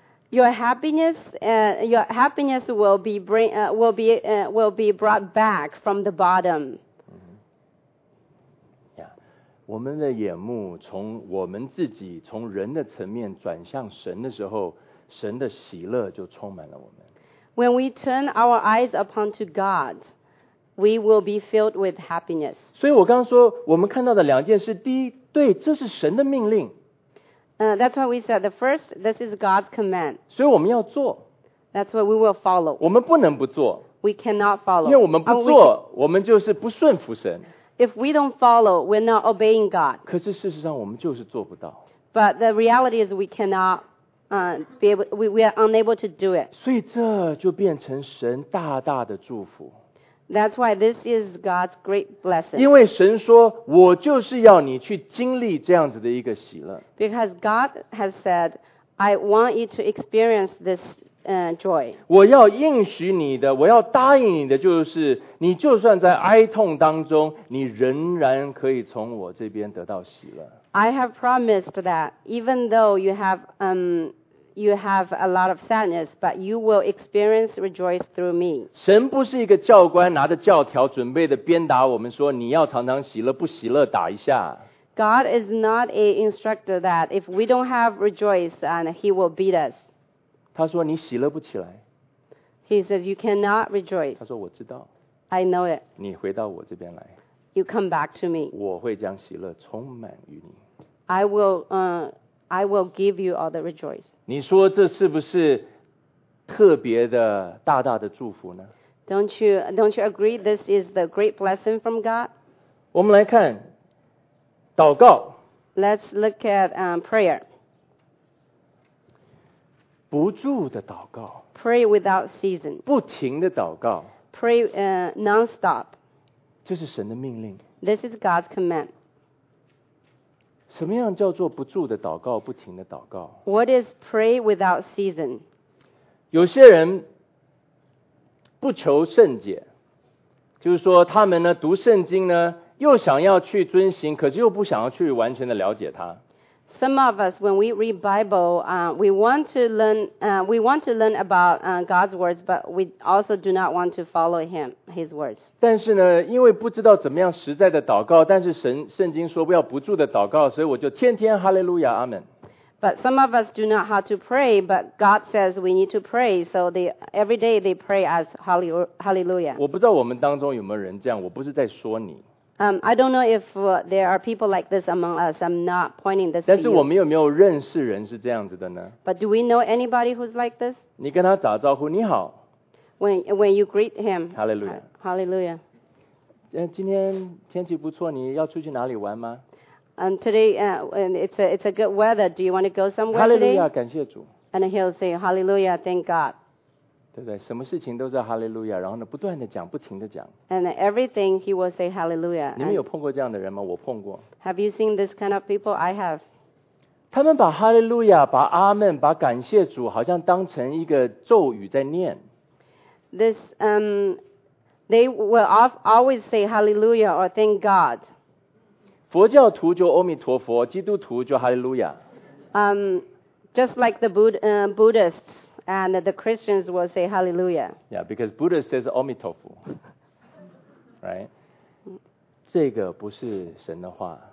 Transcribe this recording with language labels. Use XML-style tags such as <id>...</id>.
<en>your happiness will be brought back from the bottom.</en> <zh>我们的眼目从我们自己从人的层面转向神的时候，神的喜乐就充满了我们。</zh> <en>When we turn our eyes upon to God, we will be filled with happiness.</en> <zh>所以我刚刚说，我们看到的两件事，第一，对，这是神的命令。</zh> <en>That's what we said. The first, this is God's command.</en> <zh>所以我们要做。</zh> <en>That's what we will follow.</en> <zh>我们不能不做。</zh> <en>We cannot follow.</en> <zh>因为我们不做，我们就是不顺服神。</zh> <en>If we don't follow, we're not obeying God.</en> <zh>可是事实上，我们就是做不到。</zh> <en>But the reality is, we cannot. We are unable to do it.</en> <zh>所以这就变成神大大的祝福。</zh> <en>That's why this is God's great blessing.</en> <zh>因为神说，我就是要你去经历这样子的一个喜乐。</zh> <en>Because God has said, I want you to experience this. Joy.</en> <zh>我要应许你的，我要答应你的，就是你就算在哀痛当中，你仍然可以从我这边得到喜乐。</zh> <en>I have promised that even though you have a lot of sadness, but you will experience rejoice through me.</en> <zh>神不是一个教官拿着教条准备的鞭打我们说你要常常喜乐，不喜乐打一下。</zh> <en>God is not an instructor that if we don't have rejoice, and he will beat us.</en> <zh>他说你喜乐不起来。</zh> <en>He says you cannot rejoice.</en> <zh>他说我知道。</zh> <en>I know it.</en> <zh>你回到我这边来。</zh> <en>You come back to me.</en> <zh>我会将喜乐充满于你。</zh> <en>I will give you all the rejoice.</en> <zh>你说这是不是特别的大大的祝福呢？</zh> <en>Don't you agree this is the great blessing from God?</en> <zh>我们来看祷告。</zh> <en>Let's look at prayer.</en> <zh>不住的祷告</zh> <en>，pray without season，</en> <zh>不停的祷告</zh> <en>，pray non-stop。</en> <zh>这是神的命令</zh> <en>，this is God's command。</en> <zh>什么样叫做不住的祷告，不停的祷告</zh> <en>？What is pray without season？</en> <zh>有些人不求甚解，就是说他们呢读圣经呢，又想要去遵行，可是又不想要去完全的了解它。</zh> <en>Some of us, when we read Bible, we want to learn about God's words, but we also do not want to follow Him, His words.</en> <zh>但是呢，因为不知道怎么样实在的祷告，但是神圣经说不要不住的祷告，所以我就天天哈利路亚，阿门。</zh> <en>But some of us do not know how to pray, but God says we need to pray, so every day they pray as hallelujah.</en> <zh>我不知道我们当中有没有人这样，我不是在说你。</zh> <en>I don't know if there are people like this among us. I'm not pointing this to you.</en> <zh>但是我们有没有认识人是这样子的呢？</zh> <en>But do we know anybody who's like this?</en> <zh>你跟他打招呼，你好。</zh> <en>When you greet him. Hallelujah. Hallelujah.</en> <zh>今天天气不错，你要出去哪里玩吗？</zh> <en>Today, it's a good weather. Do you want to go somewhere today? Hallelujah,</en> <zh>感谢主。</zh> <en>And he'll say, Hallelujah, thank God.</en> <zh>对不对？什么事情都是哈利路亚，然后呢，不断的讲，不停的讲。</zh> <en>And everything he will say hallelujah.</en> <zh>你们有碰过这样的人吗？我碰过。</zh> <en>Have you seen this kind of people? I have.</en> <zh>他们把哈利路亚、把阿门、把感谢主，好像当成一个咒语在念。</zh> <en>This they will always say hallelujah or thank God.</en> <zh>佛教徒就阿弥陀佛，基督徒就哈利路亚。</zh> <en>Just like the Buddhists. And the Christians will say hallelujah. Yeah, because Buddha says 阿弥陀佛 right?</en> <zh>这个不是神的话。</zh>